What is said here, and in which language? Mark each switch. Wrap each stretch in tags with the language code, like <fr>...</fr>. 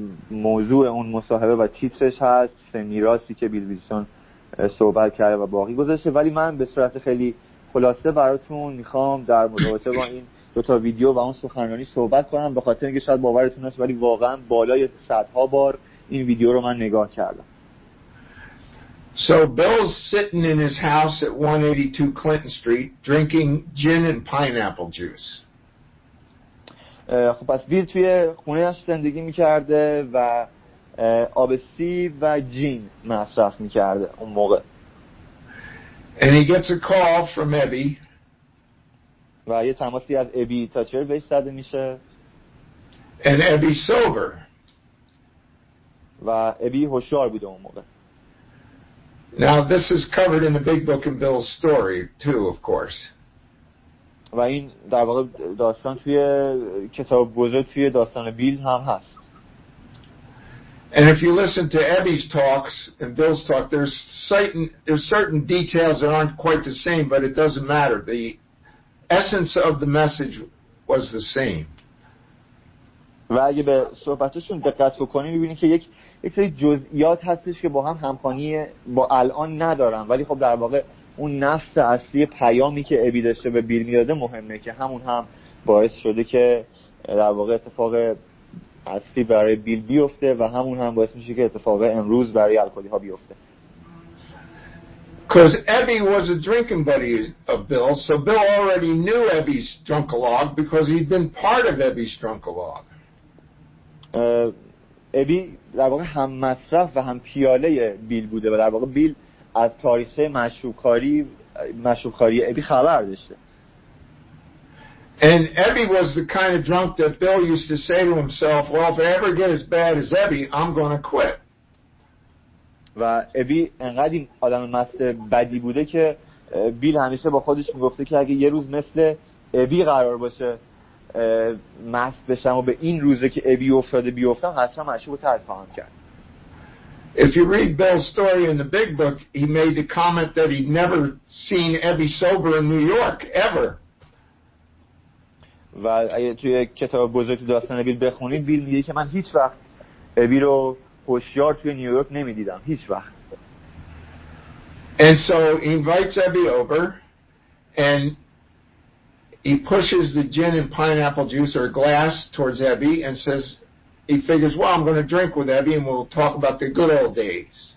<fa>موضوع اون مصاحبه و تیترش هست سه میراثی که بیل ویلسون صحبت کرده و باقی گذاشته، ولی من به صورت خیلی خلاصه براتون میخوام در مورد با این دوتا ویدیو و اون سخنرانی صحبت کنم به خاطر اینکه شاید باورتون نشه ولی واقعا بالای صدها بار این ویدیو رو من نگاه کردم.</fa> <en>So Bill's sitting in his house at 182 Clinton Street drinking gin and pineapple juice.</en> <fa>خب پس بیل توی خونه‌اش زندگی می‌کرده و آب سیب و جین مصرف می‌کرده اون موقع.</fa> <en>And he gets a call from Ebby.</en> <fa>و یه تماسی از ابی تاچر بهش زده میشه.</fa> <en>And Ebby's sober.</en> <fa>و ابی هوشیار بوده اون موقع.</fa> <en>Now this is covered in the big book in Bill's story too, of course.</en> <fa>و این در واقع داستان توی کتاب بزرگ توی داستان بیل هم هست.</fa> <en>And if you listen to Ebby's talks and Bill's talk, there's certain details that aren't quite the same, but it doesn't matter. The essence of the message was the same.</en> <fa>و اگه به صحبتشون دقت بکنی می‌بینی که یک سری جزئیات هستش که با هم همخوانی با الان ندارن، ولی خب در واقع اون نفس اصلی پیامی که ابی داشته به بیل میداده مهمه که همون هم باعث شده که در واقع اتفاق اصلی برای بیل بیفته و همون هم باعث میشه که اتفاق امروز برای الکلی ها بیفته.</fa> <en>Because Ebby was a drinking buddy of Bill, so Bill already knew Ebby's drunkalog because he'd been part of Ebby's drunkalog.</en> <fa>ابی در واقع هم مصرف و هم پیاله بیل بوده و در واقع بیل از تاریخ مشروبخواری ابی خبر داشته.</fa> <en>And Ebby was the kind of drunk that Bill used to say to himself, well, if I ever get as bad as Ebby, I'm going to quit.</en> <fa>و ابی انقدر این آدم مست بدی بوده که بیل همیشه با خودش میگفته که اگه یه روز مثل ابی قرار باشه مست بشم و به این روزه که ابی افتاده بیفتم حتما مشروب رو ترک خواهم کرد.</fa> <en>If you read Bill's story in the big book, he made the comment that he'd never seen Ebby sober in New York ever.</en> <fa>و اگه توی کتاب بزرگ داستان بیل بخونید، بیل میگه که من هیچ وقت ابی رو هوشیار توی نیویورک نمیدیدم، هیچ وقت.</fa> <en>And so he invites Ebby over and he pushes the gin and pineapple juice or glass towards Ebby and says, he figures, well, I'm going to drink with Ebby and we'll talk about the good old days.</en>